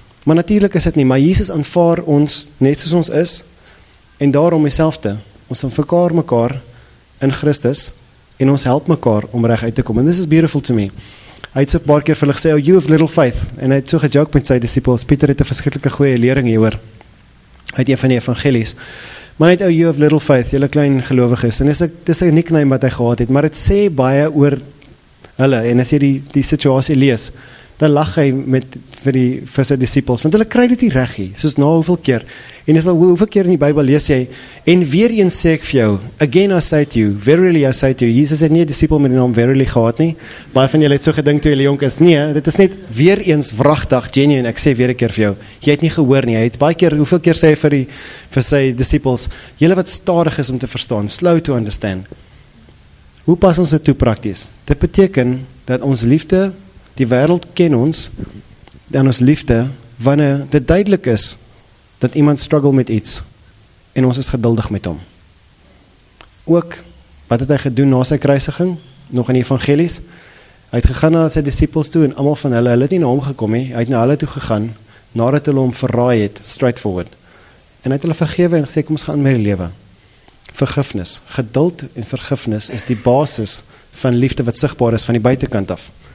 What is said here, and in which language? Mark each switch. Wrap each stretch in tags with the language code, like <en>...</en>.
<af>Maar natuurlik is dit nie, maar Jesus aanvaar ons net soos ons is, en daarom dieselfde. Ons aanvaar mekaar in Christus, en ons help mekaar om reg uit te kom. En</af> <en>this is beautiful to me.</en> <af>Hy het so paar keer vir hulle gesê,</af> <en>oh, you have little faith.</en> <af>En hy het so gejoke met sy disciples. Pieter het 'n verskriklike goeie lering hier oor. Uit een van die evangelies. Maar hy het,</af> <en>oh, you have little faith,</en> <af>julle klein gelowiges. En dis een nickname wat hy gehad het. Maar het sê baie oor hulle. En as jy die situasie lees, dan lach hy vir sy disciples. Want hulle kry dit nie reg hier. Soos na hoeveel keer. En is al, hoeveel keer in die Bybel lees jy, en weer eens sê ek vir jou,</af> <en>again I say to you,</en> <af>verily I say to you, Jesus het nie een disciple met die naam verily gehad nie, baie van julle het so gedink toe julle jonk is, nee, dit is net weer eens wrachtig, genuine, ek sê weer een keer vir jou, jy het nie gehoor nie, hy het baie keer, hoeveel keer sê hy vir sy disciples, julle wat stadig is om te verstaan,</af> <en>slow to understand,</en> <af>hoe pas ons dit toe prakties? Dit beteken, dat ons liefde, die wereld ken ons, en ons liefde, wanneer dit duidelik is, dat iemand struggle met iets, en ons is geduldig met hom. Ook, wat het hy gedoen na sy kruisiging, nog in die evangelies, hy het gegaan na sy disciples toe, en allemaal van hulle het nie na hom gekom, he. Hy het na hulle toe gegaan, nadat hulle hom verraai het, straightforward, en hy het hulle vergewe en gesê, kom ons gaan met die lewe. Vergifnis, geduld en vergifnis, is die basis van liefde wat sigtbaar is, van die buitenkant af.</af>